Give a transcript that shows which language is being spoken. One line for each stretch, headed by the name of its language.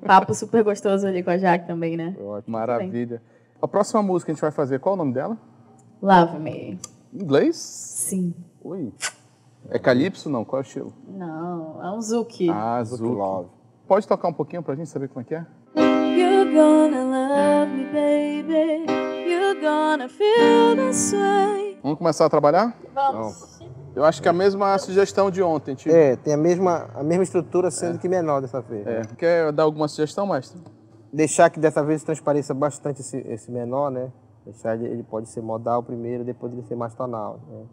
Portuguese: Papo super gostoso ali com a Jaque também, né? Ótimo. Maravilha. A próxima música que a gente vai fazer, qual é o nome dela? Love Me. Inglês? Sim. Ui. É calypso, não? Qual é o estilo? Não, é um zouk. Ah, zouk. Love. Pode tocar um pouquinho pra gente saber como é que é?
English: You're gonna love me, baby. You're gonna feel this way.
Portuguese: Vamos começar a trabalhar? Vamos. Eu acho que é a mesma sugestão de ontem, tio. É, tem a mesma estrutura, sendo que menor dessa vez. É. Quer dar alguma sugestão, mestre? Deixar que dessa vez transpareça bastante esse menor, né? Deixar ele pode ser modal primeiro, depois ele ser mais tonal. Né?